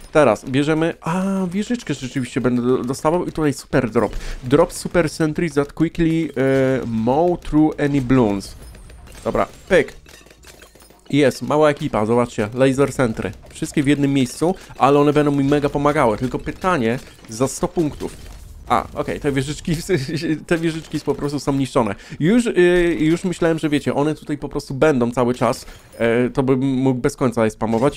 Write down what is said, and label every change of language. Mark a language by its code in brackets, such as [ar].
[pl] Teraz bierzemy, a wieżyczkę rzeczywiście będę dostawał i tutaj super drop. [en] Drop super sentries that quickly mow through any balloons. [pl] Dobra, pyk. Jest, mała ekipa, zobaczcie, laser sentry. Wszystkie w jednym miejscu, ale one będą mi mega pomagały, tylko pytanie, za 100 punktów. A, okej, okay, te wieżyczki po prostu są niszczone. Już myślałem, że wiecie, one tutaj po prostu będą cały czas, to bym mógł bez końca je spamować.